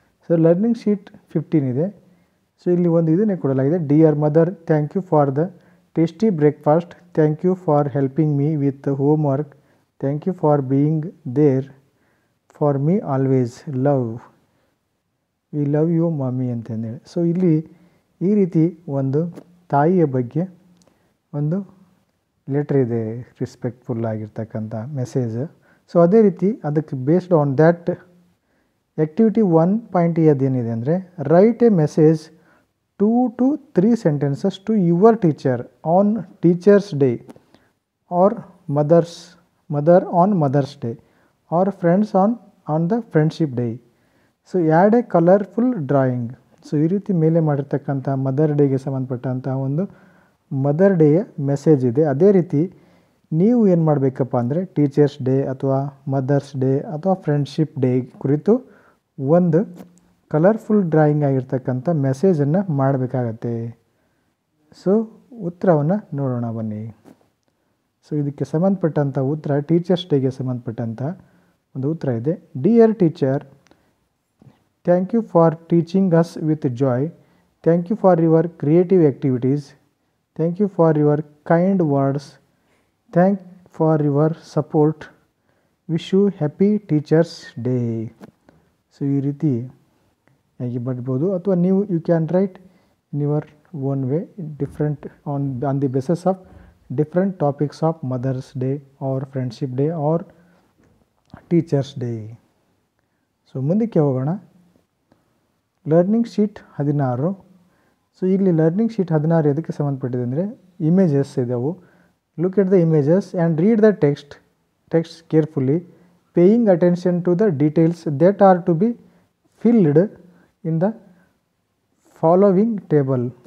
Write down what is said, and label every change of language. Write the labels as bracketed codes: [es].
[en] So learning sheet 15 ide. [kn] So illi ond idene kodalagide, [en] dear mother, thank you for the tasty breakfast, thank you for helping me with the homework, thank you for being there for me always, love, we love you mommy [kn] ante andre. So illi ee riti ondu ತಾಯಿಯ ಬಗ್ಗೆ ಒಂದು letter ಇದೆ, ರಿಸ್ಪೆಕ್ಟ್ಫುಲ್ ಆಗಿರ್ತಕ್ಕಂಥ message. So ಅದೇ ರೀತಿ ಅದಕ್ಕೆ [en] based on that activity 1.E [kn] ಅದೇನಿದೆ ಅಂದರೆ, [en] Write a message 2 to 3 sentences to your teacher on teachers day or mother on mothers day or friends on the friendship day. [kn] So add A colourful drawing. So ಈ ರೀತಿ ಮೇಲೆ ಮಾಡಿರ್ತಕ್ಕಂಥ mother ಡೇಗೆ ಸಂಬಂಧಪಟ್ಟಂತಹ ಒಂದು mother ಡೇಯ message ಇದೆ. ಅದೇ ರೀತಿ ನೀವು ಏನು ಮಾಡಬೇಕಪ್ಪ ಅಂದರೆ, ಟೀಚರ್ಸ್ ಡೇ ಅಥವಾ ಮದರ್ಸ್ ಡೇ ಅಥವಾ ಫ್ರೆಂಡ್ಶಿಪ್ ಡೇ ಕುರಿತು ಒಂದು ಕಲರ್ಫುಲ್ ಡ್ರಾಯಿಂಗ್ ಆಗಿರ್ತಕ್ಕಂಥ ಮೆಸೇಜನ್ನು ಮಾಡಬೇಕಾಗತ್ತೆ. ಸೊ ಉತ್ತರವನ್ನು ನೋಡೋಣ ಬನ್ನಿ. ಸೊ ಇದಕ್ಕೆ ಸಂಬಂಧಪಟ್ಟಂಥ ಉತ್ತರ, ಟೀಚರ್ಸ್ ಡೇಗೆ ಸಂಬಂಧಪಟ್ಟಂಥ ಒಂದು ಉತ್ತರ ಇದೆ. [en] Dear teacher, thank you for teaching us with joy, thank you for your creative activities, thank you for your kind words, thank for your support, wish you happy teachers day. So [kn] ee riti yagi badabodu athwa neevu [en] you can write in your own way, different on the basis of different topics of mothers day or friendship day or teachers day. [kn] So mundike hogana learning sheet 16. So ಇಲ್ಲಿ learning sheet 16 ಎದಕ್ಕೆ ಸಂಬಂಧಪಟ್ಟಿದೆ ಅಂದರೆ, images ಇದಾವೆ. [en] Look at the images and read the text carefully, paying attention to the details that are to be filled in the following table.